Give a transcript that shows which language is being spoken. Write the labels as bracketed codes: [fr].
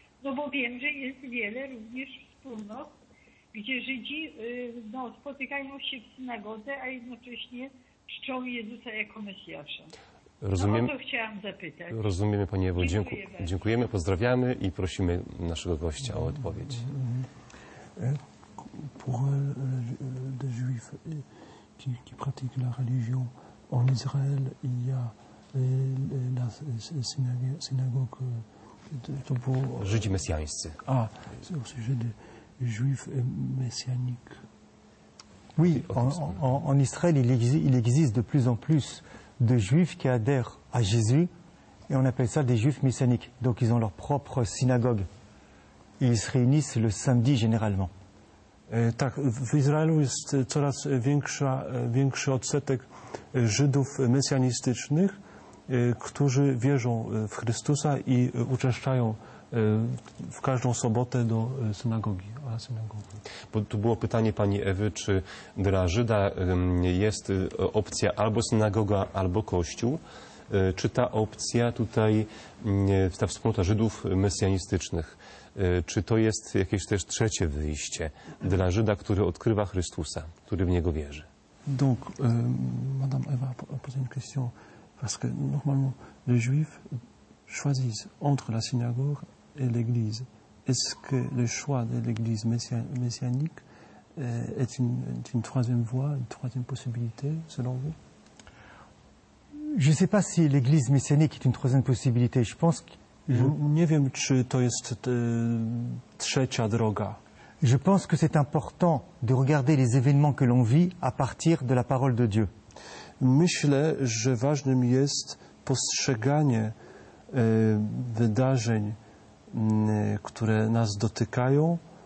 [pl] No bo wiem, że jest wiele również wspólnot, gdzie Żydzi spotykają się w synagodze, a jednocześnie czczą Jezusa jako Mesjasza. Rozumiem, o to chciałam zapytać. Rozumiemy, Panie Ewo. Dziękujemy, pozdrawiamy i prosimy naszego gościa o odpowiedź. [fr] Pour les Juifs qui pratiquent la religion en Israël, il y a la synagogue [pl] de Żydzi mesjańscy. [fr] A, c'est Żydzi. Juif et messianique. Oui, en Israël, il existe de plus en plus de juifs qui adhèrent à Jésus et on appelle ça des juifs messianiques. Donc ils ont leur propre synagogue. Ils se réunissent le samedi généralement. [pl] Tak, w Izraelu jest coraz większy odsetek Żydów mesjanistycznych, którzy wierzą w Chrystusa i uczęszczają w każdą sobotę do synagogi. Bo tu było pytanie pani Ewy, czy dla Żyda jest opcja albo synagoga, albo kościół. Czy ta opcja tutaj, ta wspólnota Żydów mesjanistycznych, czy to jest jakieś też trzecie wyjście dla Żyda, który odkrywa Chrystusa, który w Niego wierzy? [fr] Donc, madame Ewa, posez une question, parce que normalement les Juifs choisissent entre la synagogue et l'église. Est-ce que le choix de l'Église messianique est une troisième voie, une troisième possibilité, selon vous? Je sais pas si l'église messianique est une troisième possibilité. Je pense que [pl] Nie wiem, czy to jest trzecia droga. [fr] Je pense que c'est important de regarder les événements que l'on vit à partir de la parole de Dieu. [pl] Myślę, że ważnym jest postrzeganie wydarzeń, które nas dotykają